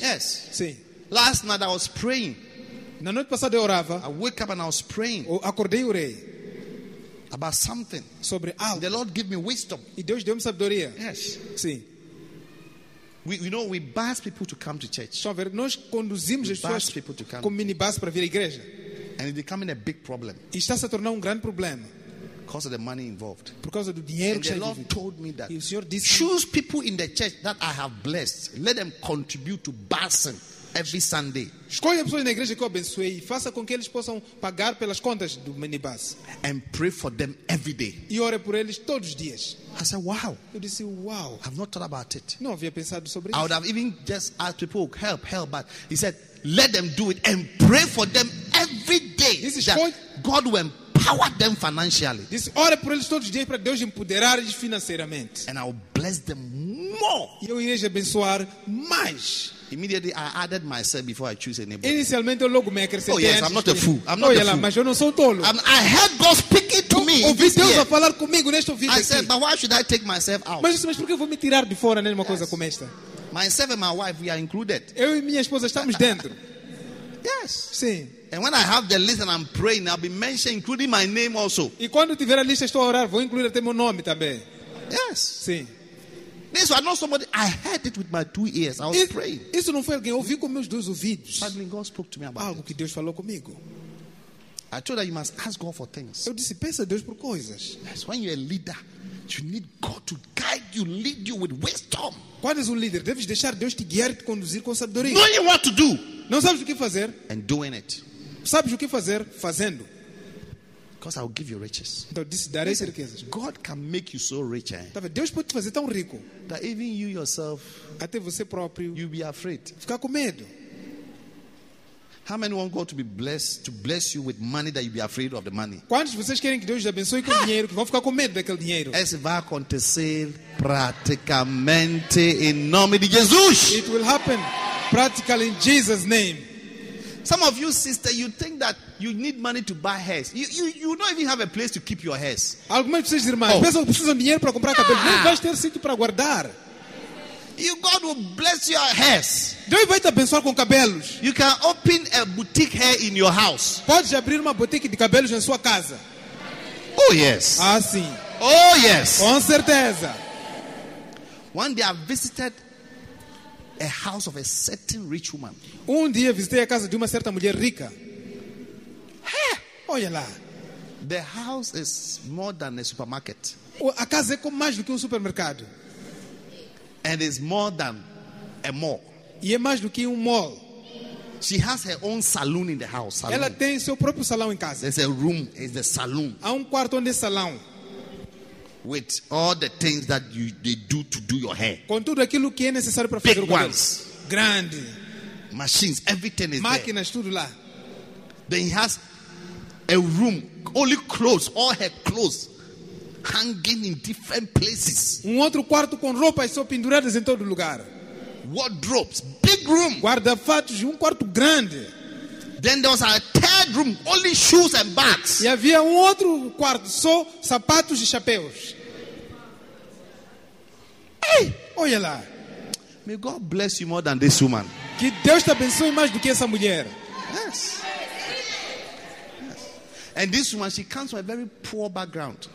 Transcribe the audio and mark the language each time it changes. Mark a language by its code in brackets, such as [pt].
[en] Yes. [pt] Sim. [en] Last night I was praying. [pt] Na noite passada eu orava. [en] I woke up and I was praying. [pt] Acordei e orei. [en] About something. [pt] Sobre algo. [en] The Lord gave me wisdom. [pt] E Deus deu-me sabedoria. [en] Yes. [pt] Sim. [en] We know we bus people to come to church. [pt] Nós conduzimos as pessoas com minibus para vir à igreja. [en] And it's becoming a big problem. [pt] E está se tornando um grande problema. [en] Because of the money involved. Because of the dinheiro [pt] que envolvido. [en] And the Lord told me that. Choose people in the church that I have blessed. Let them contribute to Barson every Sunday. [pt] Escolha pessoas na igreja que eu abençoei e faça com que eles possam pagar pelas contas do minibus. [en] And pray for them every day. [pt] E ore por eles todos os dias. [en] I said, wow. [pt] Eu disse, wow. [en] I've not thought about it. [pt] Não havia pensado sobre isso. [en] I would have even just asked people, help, help. But he said, let them do it and pray for them every day. This is that point. God will empower them financially. [pt] This ore por eles todos os dias para Deus empoderar eles financeiramente. [en] And I will bless them more. [pt] E eu irei abençoar mais. [en] Immediately, I added myself before I choose anybody. [pt] Inicialmente, eu logo me acrescentei. [en] Oh yes, I'm not a fool. I'm not a fool. [pt] Mas eu não sou tolo. [en] I heard God speaking to me. [pt] Ouvi Deus a falar comigo neste ouvido aqui. [en] I said, but why should I take myself out? [pt] Mas por que vou me tirar de fora numa coisa como esta? [en] Myself and my wife, we are included. [pt] Eu e minha esposa estamos dentro. [en] Yes. [pt] Sim. [en] And when I have the list and I'm praying, I'll be mentioned, including my name also. [pt] E quando tiver a lista estou a orar, vou incluir até meu nome também. [en] Yes. [pt] Sim. [en] This was not somebody. I heard it with my two ears. I was praying. [pt] Isso não foi alguém. Ouvi com meus dois ouvidos. [en] Suddenly God spoke to me about [pt] algo que Deus falou comigo. [en] I told her you must ask God for things. [pt] Eu disse, pensa a Deus por coisas. [en] Yes. When you're a leader, you need God to guide you, lead you with wisdom. [pt] Quando és líder, deves deixar Deus te guiar, te conduzir com sabedoria. [en] Knowing what to do. [pt] Não sabes o que fazer. [en] And doing it. [pt] Sabes o que fazer fazendo. [en] Because I will give you riches. [pt] Então, disse, darei riquezas. [en] God can make you so rich. [pt] Deus pode te fazer tão rico. [en] That even you yourself, [pt] até você próprio, [en] you be afraid. [pt] Ficar com medo. [en] How many want God to be blessed to bless you with money that you be afraid of the money? [pt] Quantos vocês querem que Deus te abençoe com dinheiro que vão ficar com medo daquele dinheiro? Isso vai acontecer praticamente em nome de Jesus. [en] It will happen practically in Jesus' name. Some of you, sister, you think that you need money to buy hairs. You don't even have a place to keep your hairs. [pt] Algumas pessoas irmãs pensam que precisam de dinheiro para comprar cabelo. Não vai ter sítio para guardar. [en] You God will bless your hairs. [pt] Deus vai te abençoar com cabelos. [en] You can open a boutique hair in your house. [pt] Pode abrir uma boutique de cabelos em sua casa. [en] Oh yes. [pt] Ah sim. [en] Oh yes. [pt] Com certeza. [en] One day I visited a house of a certain rich woman. [pt] Dia visitei a casa de uma certa mulher rica. [en] Hey, [pt] olha lá. [en] The house is more than a supermarket. [pt] A casa é como mais do que supermercado. [en] And it's more than a mall. [pt] E é mais do que mall. [en] She has her own saloon in the house. Saloon. [pt] Ela tem seu próprio salão em casa. [en] There's a room, it's the saloon. [pt] Há quarto onde é salão. [en] With all the things that they do to do your hair. [pt] Com tudo aquilo que é necessário para fazer [en] big [pt] o cabelo. [en] Ones. [pt] Grande. [en] Machines, everything is [pt] máquinas, [en] there. [pt] Tudo lá. [en] Then he has a room, only clothes, all her clothes. Hanging in different places. [pt] Outro quarto com roupas só penduradas em todo lugar. [en] Wardrobes, big room. [pt] Guarda-fatos, quarto grande. [en] Then there was a third room, only shoes and bags. [pt] E havia outro quarto só sapatos e chapéus. [en] Hey, [pt] olha lá. [en] May God bless you more than this woman. [pt] Que Deus te abençoe mais do que essa mulher. [en] Yes. And this woman, she comes from a very poor background.